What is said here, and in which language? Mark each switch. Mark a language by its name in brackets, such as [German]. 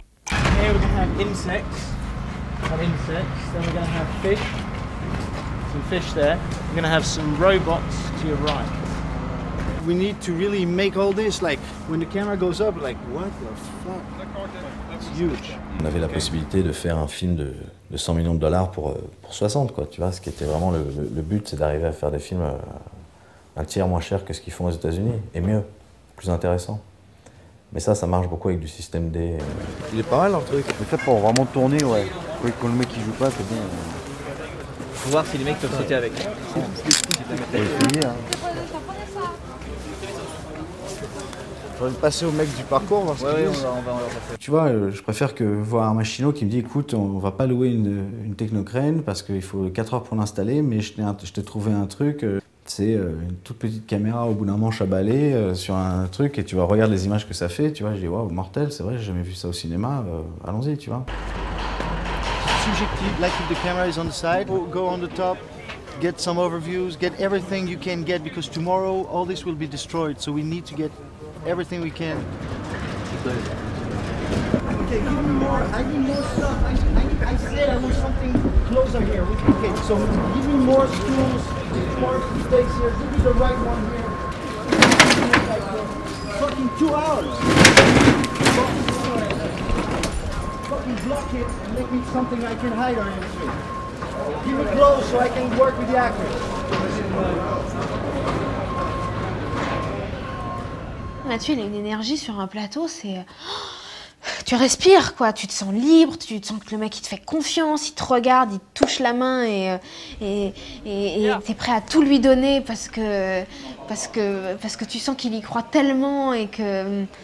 [English] Here we're going to have insects. Then we're going to have fish. Some fish there. We're going to have some robots to your right. We need to really make all this, like, when the camera goes up, like, what the fuck? [French] On avait la possibilité de faire un film de 100 millions de dollars pour 60, quoi, tu vois, ce qui était vraiment le but, c'est d'arriver à faire des films un tiers moins cher que ce qu'ils font aux États-Unis, et mieux, plus intéressant. Mais ça, ça marche beaucoup avec du système D. Il est pas mal, leur truc. Mais ça, pour vraiment tourner, ouais. Oui, quand le mec il joue pas, c'est bien. Faut voir si les mecs peuvent sauter avec. Faut essayer, hein. On va passer au mec du parcours, voir ce qu'il dit. On va tu vois, je préfère que voir un machinot qui me dit, écoute, on va pas louer une technocrène parce qu'il faut 4 heures pour l'installer, mais je t'ai trouvé un truc, c'est une toute petite caméra au bout d'un manche à balai sur un truc, et tu vois, regarde les images que ça fait, tu vois, je dis, waouh, mortel, c'est vrai, j'ai jamais vu ça au cinéma, allons-y, tu vois. [English] Subjective, like if the camera is on the side, go on the top. Get some overviews, get everything you can get, because tomorrow all this will be destroyed, so we need to get everything we can. Okay, give me more, I need more stuff. I said I want something closer here. Okay, so give me more stools, more space here, give me the right one here. Fucking 2 hours! fucking block it and make me something I can hide on it. Give me clothes so I can work with the actors. [French] Là, tu as une énergie sur un plateau, c'est... Tu respires, quoi. Tu te sens libre, tu te sens que le mec, il te fait confiance, il te regarde, il te touche la main et t'es prêt à tout lui donner parce que tu sens qu'il y croit tellement et que...